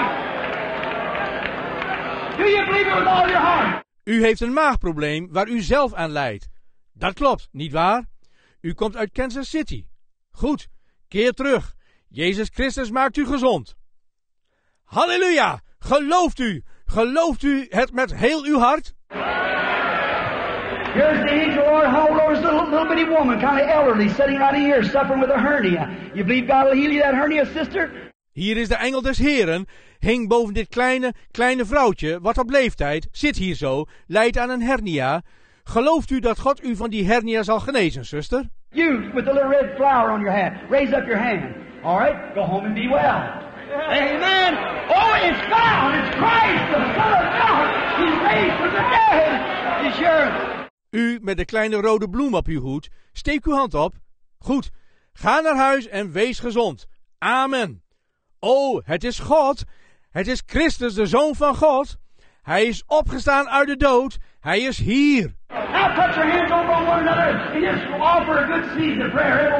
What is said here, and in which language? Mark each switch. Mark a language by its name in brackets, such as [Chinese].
[English] Hallelujah! Do you believe it with all your heart? [Dutch] U heeft een maagprobleem waar u zelf aan leidt. Dat klopt, niet waar? U komt uit Kansas City. Goed, keer terug. Jezus Christus maakt u gezond. Halleluja! Gelooft u? Gelooft u het met heel uw hart? [English] Here's the angel, Lord. How old is the little bitty woman, kind of elderly, sitting right here, suffering with a hernia. You believe God will heal you that hernia, sister? [Dutch] Hier is de engel des Heren, hing boven dit kleine vrouwtje, wat op leeftijd, zit hier zo, lijdt aan een hernia. Gelooft u dat God u van die hernia zal genezen, zuster? [English] You, with the little red flower on your hand, raise up your hand. All right, go home and be well. Amen. Oh, it's God, it's Christ, the Son of God. He's raised from the dead. He's sure. [Dutch] U met de kleine rode bloem op uw hoed, steek uw hand op. Goed, ga naar huis en wees gezond. Amen. O, het is God. Het is Christus, de Zoon van God. Hij is opgestaan uit de dood. Hij is hier. [English] Now put your hands over on one another and just offer a good season of prayer.